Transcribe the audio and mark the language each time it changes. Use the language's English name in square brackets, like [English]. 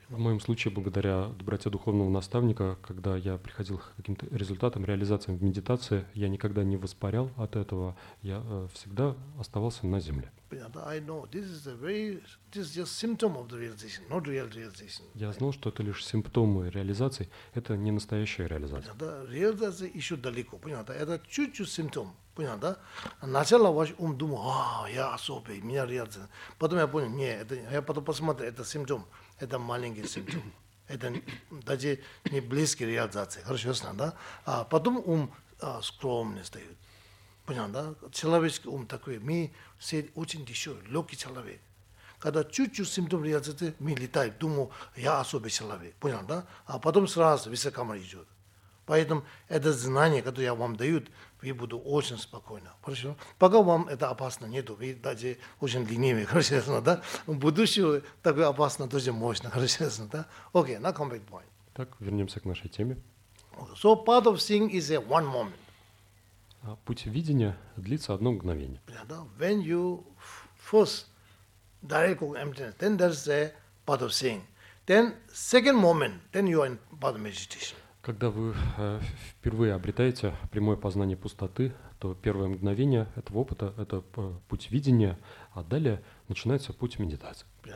[Russian] В моем случае, благодаря доброте духовного наставника, когда я приходил к каким-то результатам, реализациям в медитации, я никогда не воспарял от этого. Я всегда оставался на земле. [English] I know this is a very, this is just symptom of the realization, not real realization. [Russian] Я знал, что это лишь симптомы реализации. Это не настоящая реализация. Да, реализация еще далеко. Понятно? Это чуть-чуть симптом. Понятно? Сначала ваш ум думал, я особый, меня реализация. Потом я понял, нет, это, я потом посмотрел, это симптом, это маленький симптом. Это даже не близкий реализации. Хорошо, ясно, да? А потом ум скромный стоит. Понятно, да? Человеческий ум такой, мы все очень еще легкий человек. Когда чуть-чуть симптом реализации, мы летаем, думаем, я особый человек. Понятно, да? А потом сразу высокомерие идет. Поэтому это знание, которое я вам даю, вы будете очень спокойны. Хорошо? Пока вам это опасно нету, вы даже очень ленивы, хорошо, да? В будущем такое опасно, тоже мощно, хорошо, да? [English] Окей, на come back point. [Russian] Так, вернемся к нашей теме. [English] So part of seeing is a one moment. [Russian] А путь видения длится одно мгновение. [English] When you first directly emptiness, then there's a part of seeing. Then second moment, then you are in part of meditation. [Russian] Когда вы впервые обретаете прямое познание пустоты, то первое мгновение этого опыта – это путь видения, а далее начинается путь медитации.